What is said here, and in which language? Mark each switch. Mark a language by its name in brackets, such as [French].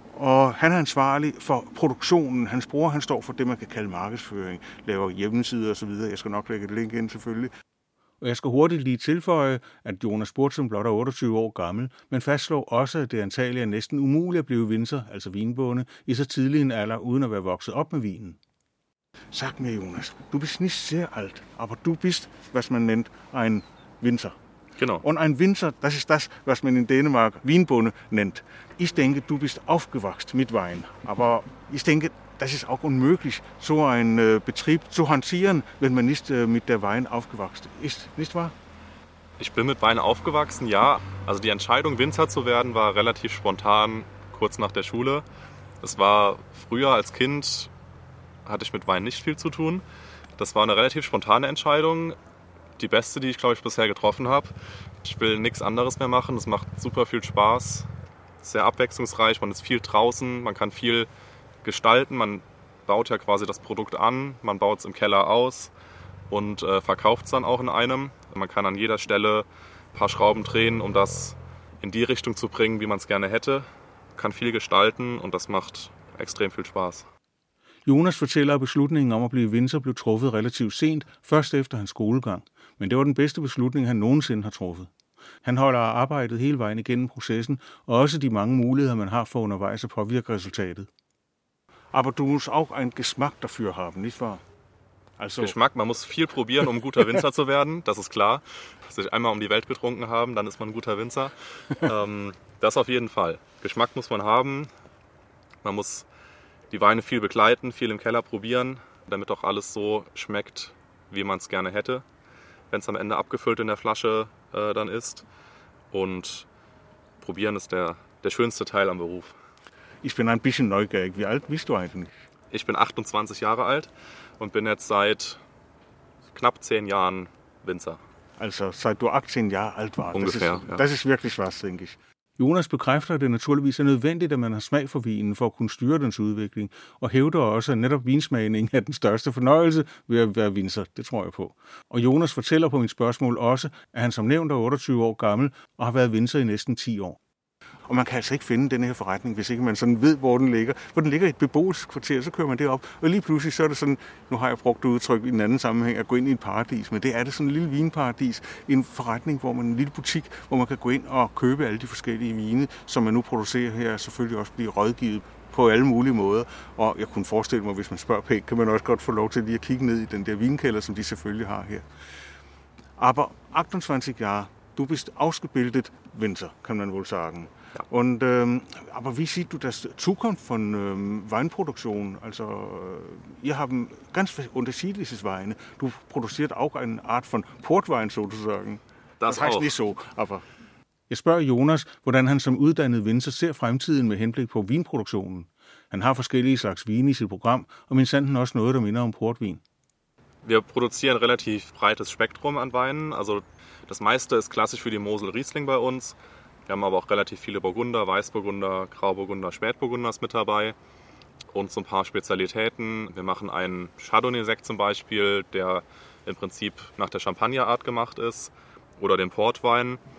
[Danish] Og han er ansvarlig for produktionen. Hans bror, han står for det, man kan kalde markedsføring, laver hjemmesider osv. Jeg skal nok lægge et link ind, selvfølgelig. Og jeg skal hurtigt lige tilføje, at Jonas Spurzem blot er 28 år gammel, men fastslår også, at det antageligt er næsten umuligt at blive vinser, altså vinbonde, i så tidlig en alder, uden at være vokset op med vinen. [German] Sagt mig, Jonas, du bist nicht sehr alt, aber du bist, [Danish] hvad man [German] nennt, ein vinser. Genau. Und ein vinser, das ist das, [Danish] hvad man i Dänemark vinbonde [German] nennt. Ich denke, du bist aufgewachst mit Wein, aber ich denke, das ist auch unmöglich, so ein Betrieb zu hantieren, wenn man nicht mit der Wein aufgewachsen ist, nicht wahr? Ich bin mit Wein aufgewachsen, ja. Also die Entscheidung, Winzer zu werden, war relativ spontan, kurz nach der Schule. Es war früher als Kind, hatte ich mit Wein nicht viel zu tun. Das war eine relativ spontane Entscheidung, die beste, die ich, glaube ich, bisher getroffen habe. Ich will nichts anderes mehr machen, es macht super viel Spaß, sehr abwechslungsreich, man ist viel draußen, man kann viel gestalten. Man baut ja quasi das Produkt an, man baut es im Keller aus und verkauft es dann auch in einem. Man kann an jeder Stelle ein paar Schrauben drehen, um das in die Richtung zu bringen, wie man es gerne hätte. Kann viel gestalten und das macht extrem viel Spaß. [Danish] Jonas fortæller, at beslutningen om at blive vinser blev truffet relativt sent, først efter hans skolegang. Men det var den bedste beslutning, han nogensinde har truffet. Han holder arbejdet hele vejen igennem processen, og også de mange muligheder, man har for undervejs at påvirke resultatet. [German] Aber du musst auch einen Geschmack dafür haben, nicht wahr? Also Geschmack, man muss viel probieren, um guter Winzer zu werden, das ist klar. Sich einmal um die Welt getrunken haben, dann ist man ein guter Winzer. Das auf jeden Fall. Geschmack muss man haben. Man muss die Weine viel begleiten, viel im Keller probieren, damit auch alles so schmeckt, wie man es gerne hätte. Wenn es am Ende abgefüllt in der Flasche dann ist. Und probieren ist der schönste Teil am Beruf. Ich bin ein bisschen neugierig. Wie alt bist du eigentlich? Ich bin 28 Jahre alt und bin jetzt seit knapp 10 Jahren Winzer. Also seit du 18 Jahre alt warst. Ungefähr, das ist wirklich was, denke ich. [Danish] Jonas bekræfter, at det naturligvis er nødvendigt, at man har smag for vinen for at kunne styre dens udvikling, og hævder også, at netop vinsmagning er den største fornøjelse ved at være vinser, det tror jeg på. Og Jonas fortæller på mit spørgsmål også, at han som nævnt er 28 år gammel og har været vinser i næsten 10 år. Og man kan altså ikke finde den her forretning, hvis ikke man sådan ved, hvor den ligger. For den ligger i et beboelseskvarter, så kører man det op. Og lige pludselig så er det sådan, nu har jeg brugt udtryk i en anden sammenhæng, at gå ind i et paradis. Men det er det sådan en lille vinparadis. En forretning, hvor man en lille butik, hvor man kan gå ind og købe alle de forskellige vine, som man nu producerer her, selvfølgelig også blive rådgivet på alle mulige måder. Og jeg kunne forestille mig, hvis man spørger pænt, kan man også godt få lov til lige at kigge ned i den der vinkælder, som de selvfølgelig har her. [German] Aber 28 Jahre, du bist ausgebildet Winzer, [Danish] kan man vel sige. [German] Ja. Und aber wie siehst du das Zukunft von Weinproduktion? Also ihr haben ganz unterschiedliches Weine. Du produzierst auch eine Art von Portwein sozusagen. das auch. Nicht so, aber [Danish] jeg spørger Jonas, hvordan han som uddannet vinser ser fremtiden med henblik på vinproduktionen. Han har forskellige slags vin i sit program, og min sanden også noget, der minder om portvin. [German] Wir produzieren relativ breites Spektrum an Weinen. Also das meiste ist klassisch für die Mosel Riesling bei uns. Wir haben aber auch relativ viele Burgunder, Weißburgunder, Grauburgunder, Spätburgunders mit dabei. Und so ein paar Spezialitäten. Wir machen einen Chardonnay-Sekt zum Beispiel, der im Prinzip nach der Champagnerart gemacht ist. Oder den Portwein.